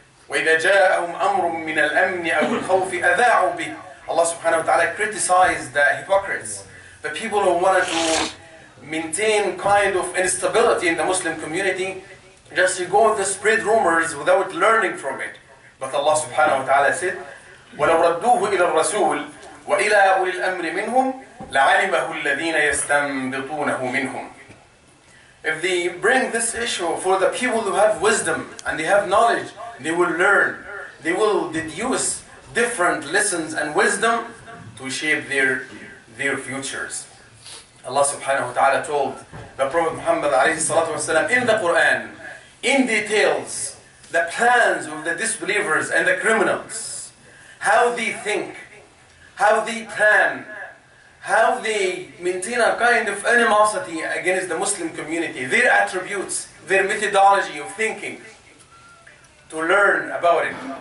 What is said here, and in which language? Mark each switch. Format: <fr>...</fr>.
<ar>وَإِذَا جَاءَهُمْ أَمْرٌ مِّنَ الْأَمْنِ أَوْ الْخَوْفِ أَذَاعُوا بِهِ.</ar> <en>Allah subhanahu wa ta'ala criticized the hypocrites, the people who wanted to maintain kind of instability in the Muslim community, just to go and spread rumors without learning from it. But Allah subhanahu wa ta'ala said,</en> <ar>وَلَوْ رَدُّوهُ إِلَى الرَّسُولِ وَإِلَىٰ أُولِي الْأَمْرِ مِنْهُمْ لَعَلِمَهُ الَّذِينَ يَسْتَنْبِطُونَهُ مِنْهُمْ.</ar> <en>If they bring this issue for the people who have wisdom and they have knowledge, they will learn. They will deduce different lessons and wisdom to shape their futures. Allah subhanahu wa ta'ala told the Prophet Muhammad alayhi salatu wasalam in the Quran, in details, the plans of the disbelievers and the criminals, how they think, how they plan, how they maintain a kind of animosity against the Muslim community, their attributes, their methodology of thinking, to learn about it.</en>